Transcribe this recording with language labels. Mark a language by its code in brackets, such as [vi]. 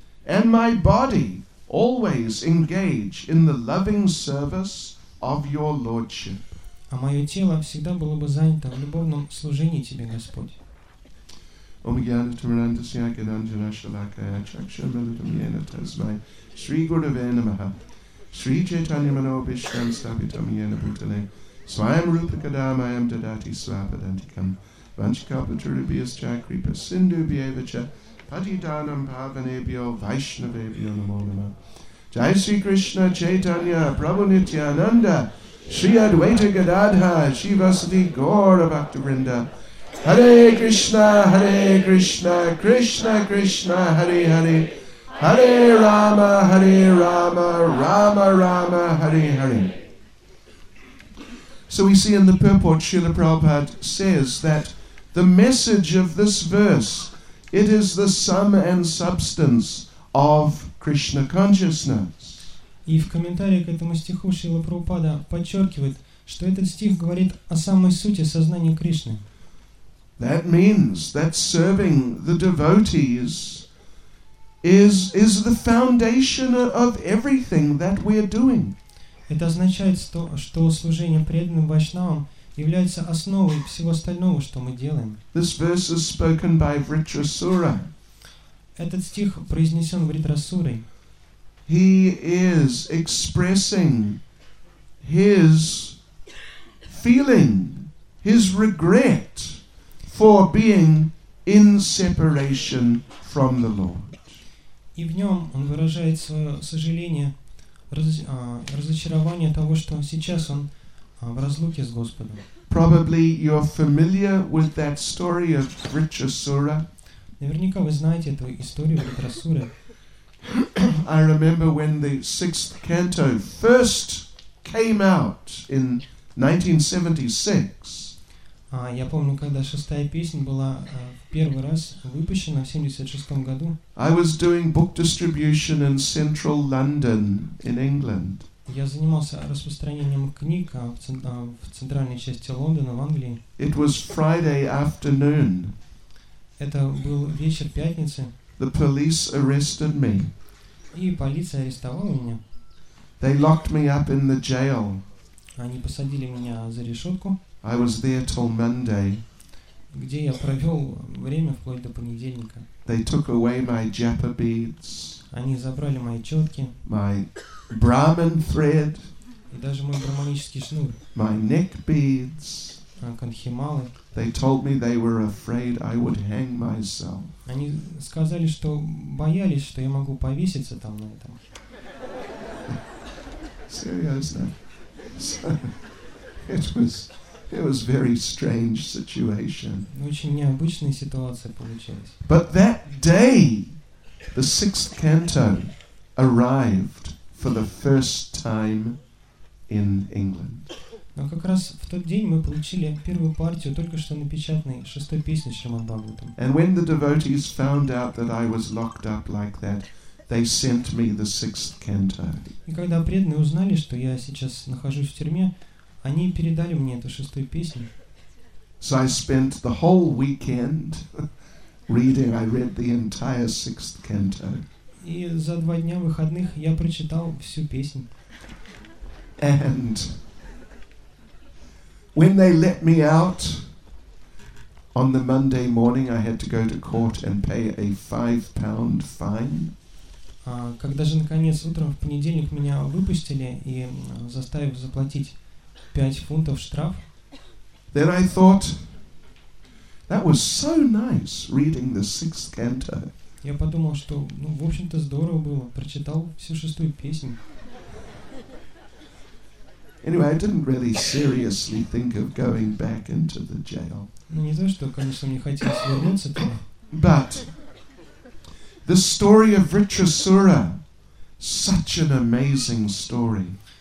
[en] And my body always engage in the loving service of your lordship. [ru] А мое тело всегда было бы занято в любовном служении тебе, Господь. [sa] Омгьяна Тумрандасия Гаданджана Шалакая Чакша Милитам Йена Тазмай Шри Гурдаве Намаха Шри Чайтанья Манобишкан Ставитам Йена Бутале Свайам Рупа Кадамайам Дадати Свападантикам Ванчикапатурубиас Чакрипа Синду Бьевича Патитанам Павенебио Вайшнавебио Намонама Джай Шри Кришна Чайтанья Прабху Нитьянанда Шри Адвайта Гададха Шри Васади Гора Бхактавринда Hare Krishna, Hare Krishna, Krishna Krishna, Hare Hare. Hare Rama, Hare Rama, Rama Rama, Hare Hare. [en] So we see in the purport, Srila Prabhupada says that the message of this verse, it is the sum and substance of Krishna consciousness. [ru] И в комментарии к этому стиху Шрила Прабхупада подчеркивает, что этот стих говорит о самой сути сознания Кришны. [en] That means that serving the devotees is the foundation of everything that we are doing. [ru] Это означает, что служение преданным вайшнавам является основой всего остального, что мы делаем. [en] This verse is spoken by Vritrasura. [ru] Этот стих произнесен Вритрасурой. [en] He is expressing his feeling, his regret for being in separation from the Lord. [ru] И в нем он выражает свое сожаление, разочарование того, что сейчас он в разлуке с Господом. [en] Probably you're familiar with that story of Vritrasura. [ru] Наверняка вы знаете эту историю Вритрасуры. [en] I remember when the sixth canto first came out in 1976. [ru] Я помню, когда шестая песня была в первый раз выпущена в 76 году. [en] I was doing book distribution in central London in England. [ru] Я занимался распространением книг в центральной части Лондона в Англии. [en] It was Friday afternoon. [ru] Это был вечер пятницы. [en] The police arrested me. [ru] И полиция арестовала меня. [en] They locked me up in the jail. [ru] Они посадили меня за решетку. [en] I was there till Monday. [ru] Где я провел время вплоть до понедельника. [en] They took away my japa beads. [ru] Они забрали мои четки. [en] My Brahman thread. [ru] И даже мой брахманический шнур. [en] My neck beads. [ru] Конхималы. [en] They told me they were afraid I would hang myself. [ru] Они сказали, что боялись, что я могу повеситься там на этом. Серьезно? [en] So, it was very strange situation. [ru] Очень необычная ситуация получилась. [en] But that day, the sixth canto arrived for the first time in England. [ru] Но как раз в тот день мы получили первую партию только что напечатанной шестой песни Шримад Бхагаватам. [en] And when the devotees found out that I was locked up like that, they sent me the sixth canto. [ru] И когда преданные узнали, что я сейчас нахожусь в тюрьме, они передали мне эту шестую песню. [en] So I spent the whole weekend reading. I read the entire sixth canto. [ru] И за два дня выходных я прочитал всю песню. [en] And when they let me out on the Monday morning, I had to go to court and pay a £5 fine. [ru] Когда же наконец утром в понедельник меня выпустили и заставили заплатить 5 фунтов штраф. [en] Then I thought that was so nice reading the sixth canto. [ru] Я подумал, что ну в общем-то здорово было, прочитал всю шестую песню. [en] Anyway, I didn't really seriously think of going back into the jail. [ru] Ну не то, что, конечно, мне хотелось вернуться туда. [en] But the story of Vritrasura, such an amazing story.